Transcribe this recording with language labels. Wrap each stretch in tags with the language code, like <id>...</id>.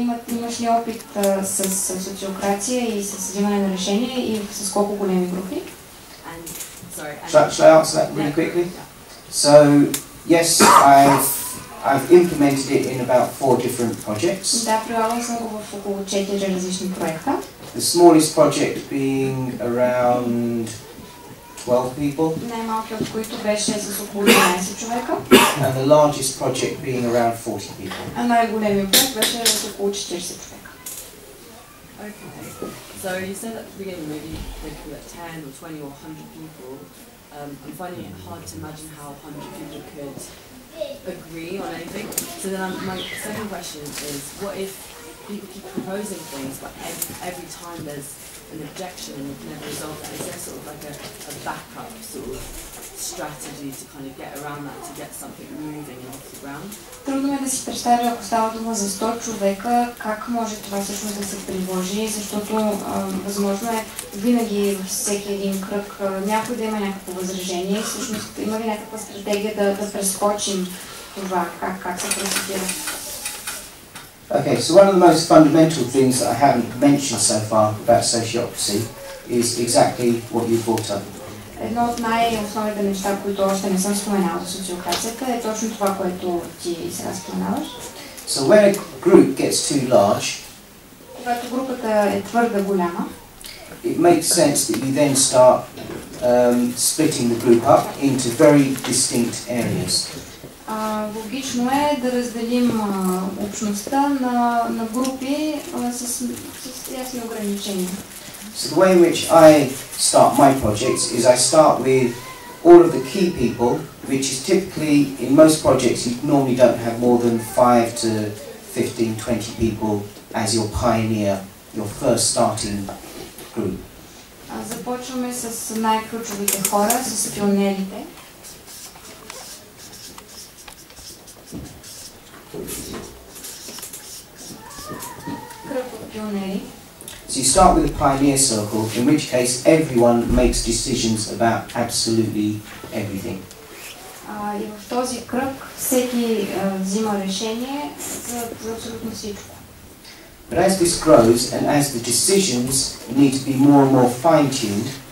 <bg>Имаш ли опит с социокрация и с взимане на решения и с колко големи групи?</bg> <en>Shall I answer that really quickly? So, yes, I've implemented it in about 4 different projects.</en> <bg>Да, прилагал съм го в около 4 различни проекта.</bg> <en>The smallest project being around 12 people.</en> <bg>Най-малкият, от които беше с около 12 човека.</bg> <en>And the largest project being around 40 people.</en> <bg>А най-големият проект беше с около 40 човека.</bg> <en>Okay. So you said at the beginning maybe thinking that 10 or 20 or 100 people, I'm finding it hard to imagine how 100 people could agree on anything. So then my second question is, what if people keep proposing things but every time there's an objection and they've never resolved that, is there sort of like a backup sort of strategy to kind of get around that, to get something moving off the ground?</en> <bg>Трудно ми е да си представя, ако става дума за 100 човека, как може това всъщност да се приложи, защото възможно е винаги във всеки един кръг някой да има някакво възражение, всъщност има ли някаква стратегия да прескочим това, как се процедира?</bg> <en>Okay, so one of the most fundamental things that I haven't mentioned so far about sociocracy is exactly what you brought up.</en> <bg>Едно от най-основните неща, които още не съм споменал за социокрацията, е точно това, което ти сега споменаваш.</bg> <en>So when a group gets too large,</en> <bg>когато групата е твърда голяма,</bg> <en>it makes sense that you then start splitting the group up into very distinct areas.</en> <bg>Логично е да разделим общността на групи с ясни ограничения.</bg> <en>So the way in which I start my projects is I start with all of the key people, which is typically, in most projects, you normally don't have more than 5 to 15, 20 people as your pioneer, your first starting group.</en> <bg>Започваме с най-ключовите хора, с пионерите. Кръг от пионери.</bg> <en>So you start with a pioneer circle, in which case everyone makes decisions about absolutely everything.</en> <bg>И в този кръг всеки взима решение за абсолютно всичко.</bg> <en>But as this grows and as the decisions need to be more and more fine-tuned,</en>